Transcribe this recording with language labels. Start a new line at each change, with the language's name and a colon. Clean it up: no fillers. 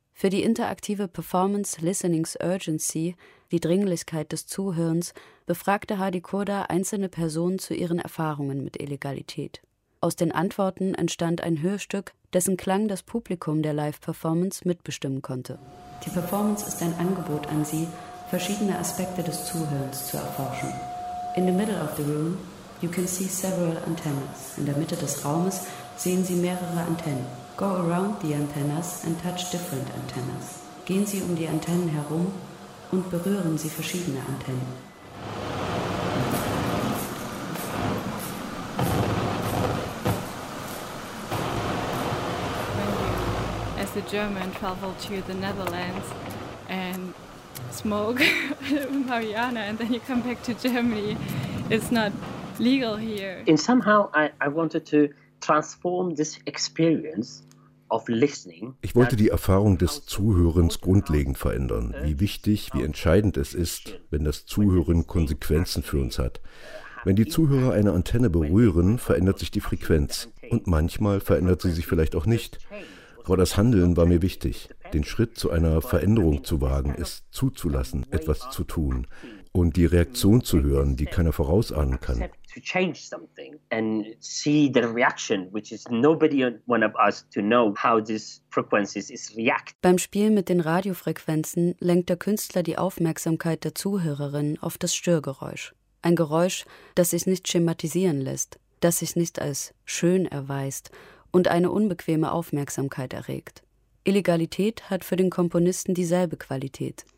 German: Für die interaktive Performance Listening's Urgency, die Dringlichkeit des Zuhörens, befragte Hardi Kurda einzelne Personen zu ihren Erfahrungen mit Illegalität. Aus den Antworten entstand ein Hörstück, dessen Klang das Publikum der Live-Performance mitbestimmen konnte. Die Performance ist ein Angebot an Sie, verschiedene Aspekte des Zuhörens zu erforschen.
English: In the middle of the room, you can see several antennas.
German: In der Mitte des Raumes sehen Sie mehrere Antennen.
English: Go around the antennas and touch different antennas.
German: Gehen Sie um die Antennen herum und berühren Sie verschiedene Antennen.
English: As the German traveled to the Netherlands and smoke marijuana and then you come back to Germany, it's not legal here. And somehow I wanted to transform this experience.
German: Ich wollte die Erfahrung des Zuhörens grundlegend verändern, wie wichtig, wie entscheidend es ist, wenn das Zuhören Konsequenzen für uns hat. Wenn die Zuhörer eine Antenne berühren, verändert sich die Frequenz und manchmal verändert sie sich vielleicht auch nicht. Aber das Handeln war mir wichtig. Den Schritt zu einer Veränderung zu wagen, es zuzulassen, etwas zu tun und die Reaktion zu hören, die keiner vorausahnen kann.
English: To change something and see the reaction, which is nobody one of us to know how these frequencies is react.
German: Beim Spiel mit den Radiofrequenzen lenkt der Künstler die Aufmerksamkeit der Zuhörerin auf das Störgeräusch. Ein Geräusch, das sich nicht schematisieren lässt, das sich nicht als schön erweist und eine unbequeme Aufmerksamkeit erregt. Illegalität hat für den Komponisten dieselbe Qualität.